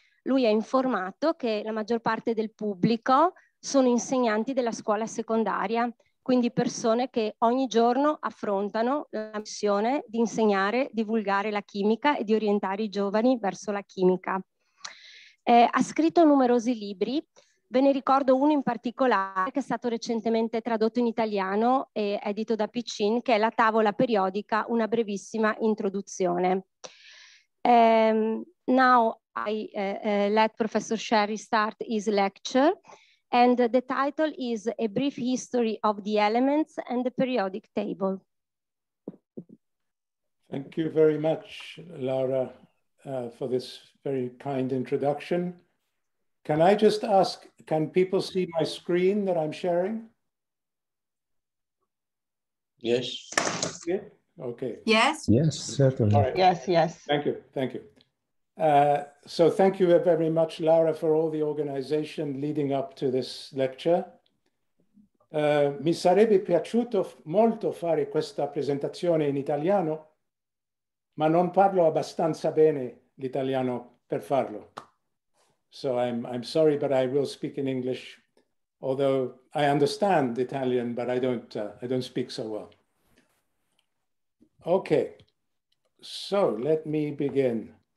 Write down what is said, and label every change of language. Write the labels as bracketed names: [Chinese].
[Italian] Lui ha informato che la maggior parte del pubblico sono insegnanti della scuola secondaria, quindi persone che ogni giorno affrontano la missione di insegnare, divulgare la chimica e di orientare i giovani verso la chimica. Ha scritto numerosi libri. Ve ne ricordo uno in particolare che è stato recentemente tradotto in italiano e edito da Piccin, che è La tavola periodica, una brevissima introduzione. [English] Now I let Professor Scerri start his lecture, and the title is A Brief History of the Elements and the Periodic Table. Thank you very much, Laura, for this very kind introduction. Can I just ask, can people see my screen that I'm sharing? Yes. Okay. Yes. Yes, certainly. Right. Yes, yes. Thank you, thank you. So thank you very much, Laura, for all the organization leading up to this lecture. [Italian] Mi sarebbe piaciuto molto fare questa presentazione in italiano, ma non parlo abbastanza bene l'italiano per farlo. [English] So I'm sorry, but I will speak in English, although I understand Italian, but I don't speak so well. Okay, so let me begin.